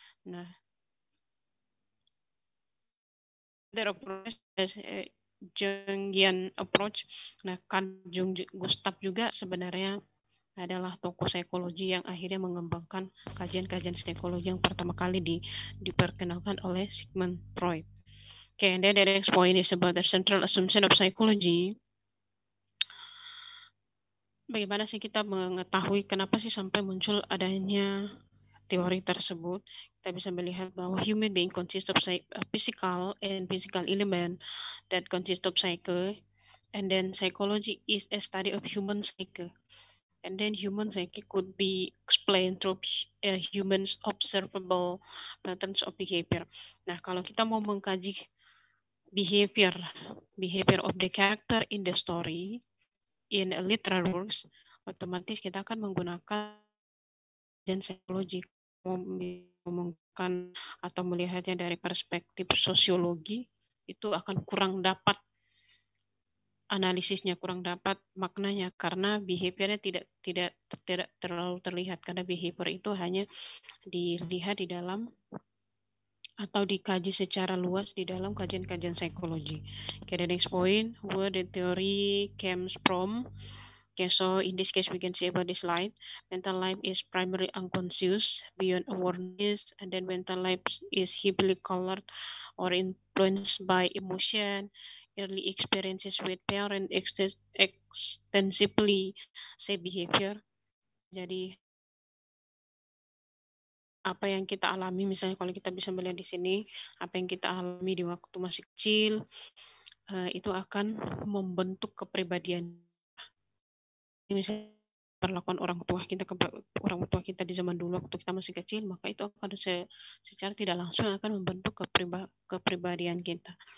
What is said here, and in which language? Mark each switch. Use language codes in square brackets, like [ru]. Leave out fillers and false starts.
[en] Nah, their approach is Jungian approach. [id] Nah, Carl Jung, Gustav juga sebenarnya adalah tokoh psikologi yang akhirnya mengembangkan kajian-kajian psikologi yang pertama kali diperkenalkan oleh Sigmund Freud. [en] Okay, and then the next point is about the central assumption of psychology. [id] Bagaimana sih kita mengetahui kenapa sih sampai muncul adanya teori tersebut? Kita bisa melihat bahwa [en] human being consists of physical and physical element that consists of psyche, and then psychology is a study of human psyche. And then human psyche could be explained through humans observable patterns of behavior. [id] Nah, kalau kita mau mengkaji [en] behavior of the character in the story in a literary works, [id] otomatis kita akan menggunakan kajian psikologi, mengumumkan atau melihatnya dari perspektif sosiologi, itu akan kurang dapat analisisnya, kurang dapat maknanya, karena behaviornya tidak terlalu terlihat, karena behavior itu hanya dilihat di dalam atau dikaji secara luas di dalam kajian-kajian psikologi. [en] Okay, the next point, where the theory comes from. Okay, so in this case, we can see about this slide. Mental life is primarily unconscious, beyond awareness, and then mental life is heavily colored or influenced by emotion, early experiences with parent, extensively say behavior. [id] Jadi, apa yang kita alami, misalnya kalau kita bisa melihat di sini, apa yang kita alami di waktu masih kecil, itu akan membentuk kepribadian. Misalnya perlakuan orang tua kita di zaman dulu waktu kita masih kecil, maka itu akan secara tidak langsung akan membentuk kepribadian kita.